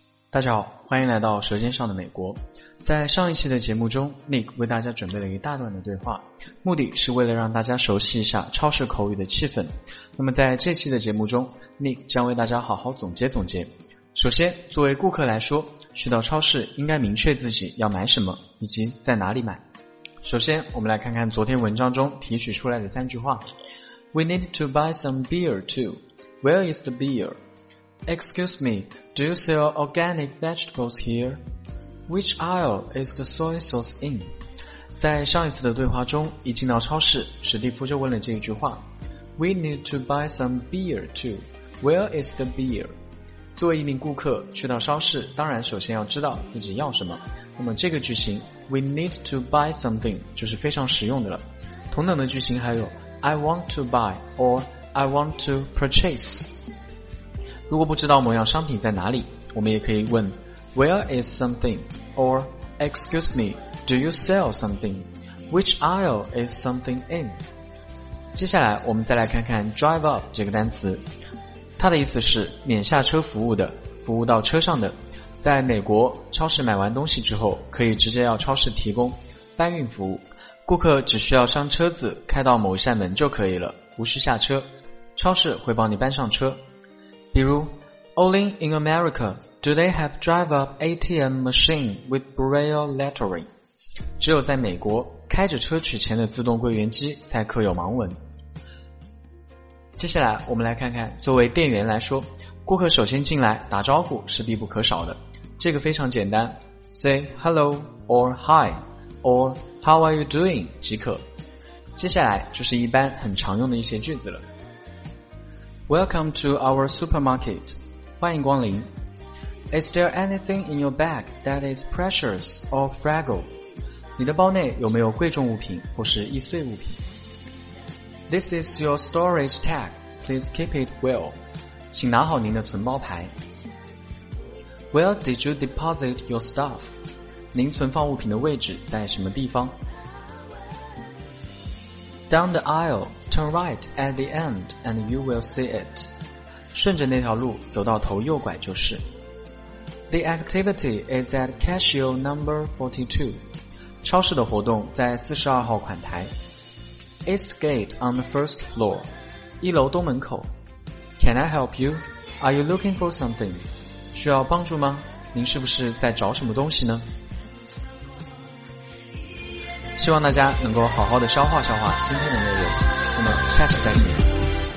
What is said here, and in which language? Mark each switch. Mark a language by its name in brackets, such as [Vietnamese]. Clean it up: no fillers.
[Chinese] 大家好，欢迎来到舌尖上的美国。在上一期的节目中， Nick 为大家准备了一大段的对话，目的是为了让大家熟悉一下超市口语的气氛。那么在这期的节目中， Nick 将为大家好好总结总结。首先，作为顾客来说，去到超市应该明确自己要买什么以及在哪里买。首先，我们来看看昨天文章中提取出来的三句话。 [English] We need to buy some beer too. Where is the beer? Excuse me, do you sell organic vegetables here? Which aisle is the soy sauce in? [Chinese] 在上一次的对话中，一进到超市，史蒂夫就问了这一句话。 [English] We need to buy some beer too. Where is the beer? [Chinese] 作为一名顾客，去到超市，当然首先要知道自己要什么。那么这个句型 , [English] We need to buy something, [Chinese] 就是非常实用的了。同等的句型还有 [English] ,I want to buy, or I want to purchase. [Chinese] 如果不知道某样商品在哪里，我们也可以问 [English] Where is something? Or Excuse me, do you sell something? Which aisle is something in? [Chinese] 接下来我们再来看看 drive up 这个单词，它的意思是免下车服务的，服务到车上的。在美国超市买完东西之后，可以直接要超市提供搬运服务，顾客只需要上车子开到某一扇门就可以了，无需下车，超市会帮你搬上车。比如 [English] Only in America do they have drive-up ATM machine with braille lettering. [Chinese] 只有在美国，开着车取钱的自动柜员机才刻有盲文。接下来我们来看看，作为店员来说，顾客首先进来打招呼是必不可少的。这个非常简单， [English] Say hello or hi or how are you doing [Chinese] 即可。接下来就是一般很常用的一些句子了。 [English] Welcome to our supermarket. [Chinese] 欢迎光临。 [English] Is there anything in your bag that is precious or fragile? [Chinese] 你的包内有没有贵重物品或是易碎物品？ [English] This is your storage tag. Please keep it well. [Chinese] 请拿好您的存包牌。 [English] Where did you deposit your stuff? [Chinese] 您存放物品的位置在什么地方？ [English] Down the aisle. Turn right at the end and you will see it. [Chinese] 顺着那条路走到头右拐就是。 [English] The activity is at cashier number 42. [Chinese] 超市的活动在42号款台。 [English] East gate on the first floor. [Chinese] 一楼东门口。 [English] Can I help you? Are you looking for something? [Chinese] 需要帮助吗？您是不是在找什么东西呢？希望大家能够好好的消化消化今天的内容。那么下期再见。